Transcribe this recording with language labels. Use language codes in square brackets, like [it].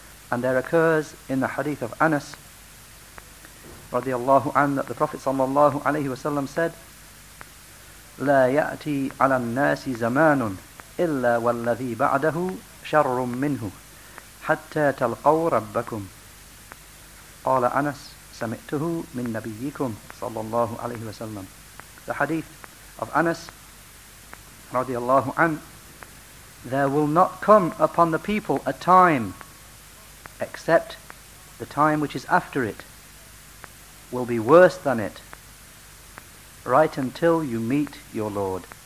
[en] And there occurs in the hadith of Anas radiallahu anhu that the Prophet sallallahu alayhi wa sallam said, [ar] لا يأتي على الناس زمان إلا والذي بعده شر منه حتى تلقوا ربكم. قال أنس سمعته من نبيكم صلى الله عليه وسلم. [en] The hadith of Anas رضي الله عنه, there will not come upon the people a time except the time which is after it will be worse than it, right until you meet your Lord.